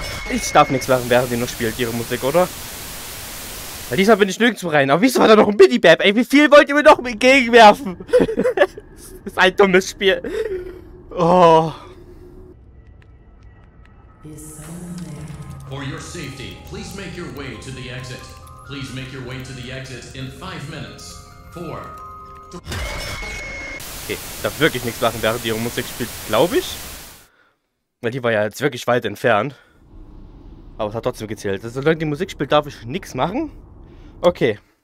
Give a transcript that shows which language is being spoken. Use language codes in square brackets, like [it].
[de] Ich darf nichts machen, während sie noch spielt, ihre Musik, oder? Weil diesmal bin ich nirgendwo rein. Aber wieso war da noch ein Bidibab? Ey, wie viel wollt ihr mir noch entgegenwerfen? Das ist ein dummes Spiel. Oh. [en] For your safety, please make your way to the exit. Please make your way to the exit in 5 minutes. 4. [de] Okay, ich darf wirklich nichts machen, während ihre Musik spielt, glaube ich. Weil die war ja jetzt wirklich weit entfernt. Aber es hat trotzdem gezählt. Also, solange die Musik spielt, darf ich nichts machen. Okay.